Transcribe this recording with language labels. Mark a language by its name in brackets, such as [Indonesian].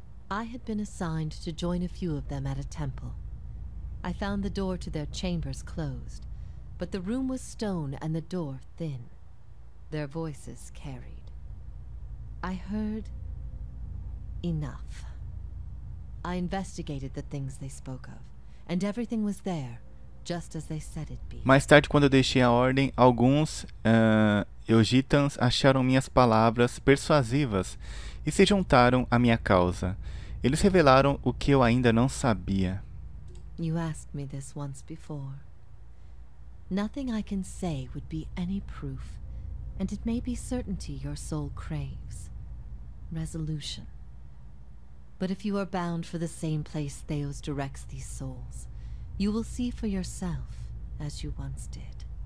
[English] I had been assigned to join a few of them at a temple. I found the door to their chambers closed, but the room was stone and the door thin. Their voices carried. I heard enough. I investigated the things they spoke of, and everything was there, just as they said it be. [Portuguese] Mais tarde, quando eu deixei a ordem, alguns eugitans acharam minhas palavras persuasivas e se juntaram à minha causa. Eles revelaram o que eu ainda não sabia. [English] You asked me this once before. Nothing I can say would be any proof, and it may be certainty your soul craves. Resolution. But if you are bound for the same place Theos directs these souls, you will see for yourself as you once did.